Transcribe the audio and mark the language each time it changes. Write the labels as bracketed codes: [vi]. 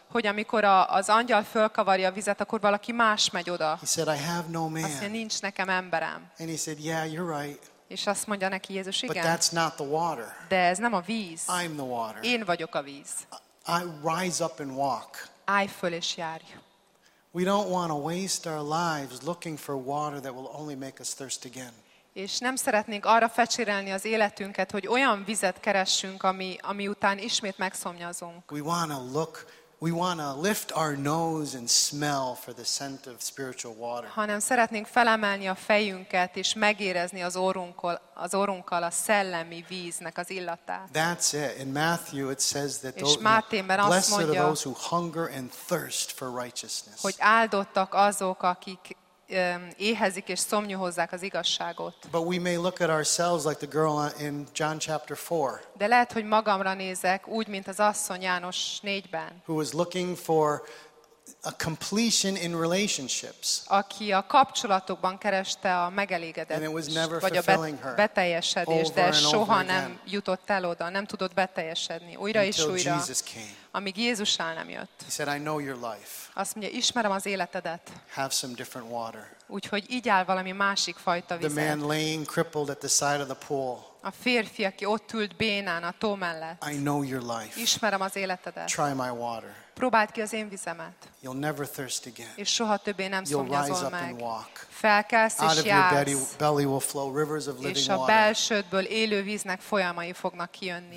[hu] hogy amikor az angyal fölkavarja a vizet, akkor valaki más megy oda. [en] He said, I have no man. [hu] Azt mondja, nincs nekem emberem. [en] And he said, yeah, you're right. [hu] És azt mondja neki Jézus, igen. [en] But that's not the water. [hu] De ez nem a víz. [en] I'm the water. [hu] Én vagyok a víz. [en] I rise up and walk. [hu] Állj föl és járj. [en] We don't want to waste our lives looking for water that will only make us thirst again. [hu] És nem szeretnénk arra fecsérelni az életünket, hogy olyan vizet keressünk, ami után ismét megszomjazunk. [en] We want to look, we want to lift our nose and smell for the scent of spiritual water. [hu] Hanem szeretnénk felemelni a fejünket és megérezni az orrunkkal a szellemi víznek az illatát. [en] That's it. In Matthew it says that blessed are those who hunger and thirst for righteousness. [hu] Hogy áldottak azok, akik éhezik és szomjúhozzák az igazságot. [en] But we may look at ourselves like the girl in John chapter 4. [hu] De lehet, hogy magamra nézek úgy, mint az asszony János 4-ben. [en] Who was looking for a completion in relationships. [hu] Aki a kapcsolatokban kereste a megelégedettséget, vagy a beteljesedést, de soha nem jutott el oda, nem tudott beteljesedni. Újra és újra. Amíg Jézus el nem jött. [en] He said, I know your life. [hu] Azt mondja, ismerem az életedet. [en] Have some different water. [hu] Úgyhogy így áll valami másik fajta vizet. [en] The man laying crippled at the side of the pool. [hu] A férfi, aki ott ült bénán a tó mellett. [en] I know your life. [hu] Ismerem az életedet. [en] Try my water. [hu] Próbáld ki az én vizemet. [en] You'll never thirst again. [hu] És soha többé nem [en] You'll [hu] szomjazol [en] rise up [hu] meg. [en] And walk. [hu] Felkelsz [en] Out [hu] és jársz. [en] Your belly will flow rivers of living [hu] és a belsődből élő víznek folyamai fognak kijönni.